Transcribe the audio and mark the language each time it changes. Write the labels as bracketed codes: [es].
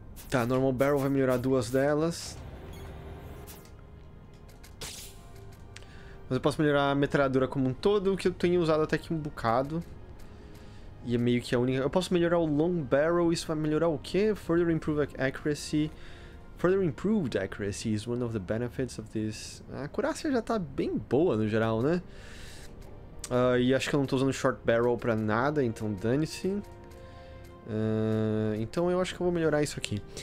[pt] Tá, Normal Barrel vai melhorar duas delas. Mas eu posso melhorar a metralhadora como um todo, que eu tenho usado até aqui um bocado. E é meio que a única... Eu posso melhorar o Long Barrel, isso vai melhorar o quê? [en] Further improve accuracy. Further improved accuracy is one of the benefits of this. [pt] A acurácia já tá bem boa no geral, né? E acho que eu não tô usando Short Barrel pra nada, então dane-se. Então eu acho que eu vou melhorar isso aqui.